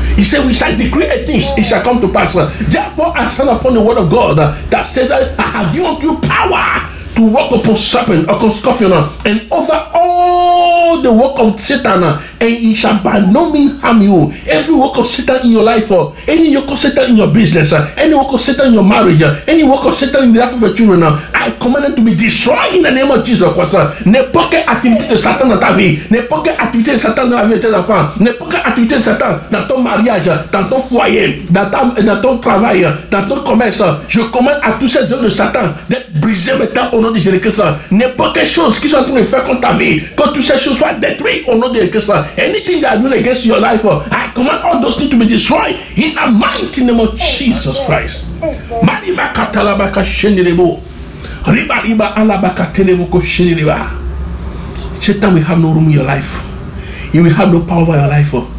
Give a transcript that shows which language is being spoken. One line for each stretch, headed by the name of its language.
English: He said, we shall decree a thing, it shall come to pass. Therefore, I stand upon the word of God that said that I have given you power to walk upon serpent, upon scorpion, and over all the work of Satan, and he shall by no means harm you. Every work of Satan in your life, any work of Satan in your business, any work of Satan in your marriage, any work of Satan in the life of your children, I command them to be destroyed in the name of Jesus Christ.
French: N'importe activité de Satan dans ta vie, n'importe activité de Satan dans la vie de tes enfants, n'importe activité de Satan dans ton mariage, dans ton foyer, dans ton travail, dans ton commerce, je commande à tous ces hommes de Satan d'être brisés maintenant au nom de Jésus-Christ. N'importe quelle chose qui soit en train de faire contre ta vie, que toutes ces choses soient détruites au nom de Jésus-Christ.
English: Anything that is doing against your life, I command all those things to be destroyed in the mighty name of Jesus Christ. Mariba katalaba kashenilebo. Riba riba alaba katelebo kashenileba. Satan, we have no room in your life. You will have no power over your life.